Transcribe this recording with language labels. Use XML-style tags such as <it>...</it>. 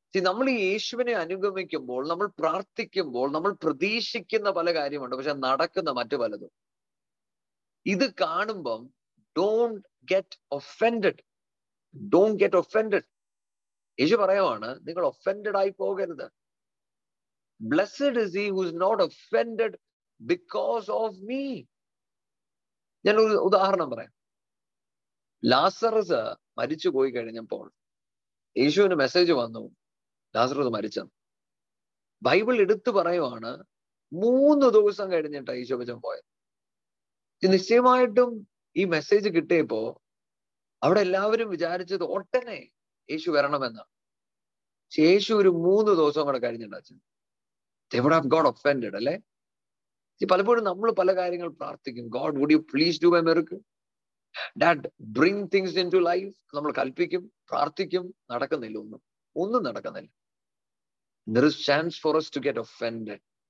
<ml>നമ്മൾ യേശുവിനെ അനുഗമിക്കുമ്പോൾ, നമ്മൾ പ്രാർത്ഥിക്കുമ്പോൾ, നമ്മൾ പ്രതീക്ഷിക്കുന്ന പല കാര്യമുണ്ട്, പക്ഷെ നടക്കുന്ന മറ്റു പലതും. ഇത് കാണുമ്പം</ml> <en>don't get offended</en> <ml>യേശു പറയുവാണ് നിങ്ങൾ ഒഫെൻഡഡ് ആയി പോകരുത്.</ml> <en>Blessed is he who is not offended because of me.</en> <ml>ഞാൻ ഒരു ഉദാഹരണം പറയാം. ലാസറസ് മരിച്ചു പോയി കഴിഞ്ഞപ്പോൾ യേശുവിന് മെസ്സേജ് വന്നു, ലാസറസ് മരിച്ചു. ബൈബിൾ എടുത്തു പറയുവാണ് 3 ദിവസം കഴിഞ്ഞിട്ടാണ് യേശു അച്ഛൻ പോയത്. നിശ്ചയമായിട്ടും ഈ മെസ്സേജ് കിട്ടിയപ്പോ അവിടെ എല്ലാവരും വിചാരിച്ചത് ഒട്ടനെ യേശു വരണമെന്ന്. യേശു ഒരു 3 ദിവസം കൂടെ കഴിഞ്ഞിട്ടാണ് അച്ഛൻ.</ml> <en>They would have got offended,</en> <ml>അല്ലേ? പലപ്പോഴും നമ്മൾ പല കാര്യങ്ങൾ പ്രാർത്ഥിക്കും.</ml> <en>God would you please do a miracle, dad bring things into life.</en> <ml>നമ്മൾ കൽപ്പിക്കും, പ്രാർത്ഥിക്കും, നടക്കുന്നില്ല, ഒന്നും നടക്കുന്നില്ല.</ml> <en>There is chance for us to get offended.</en>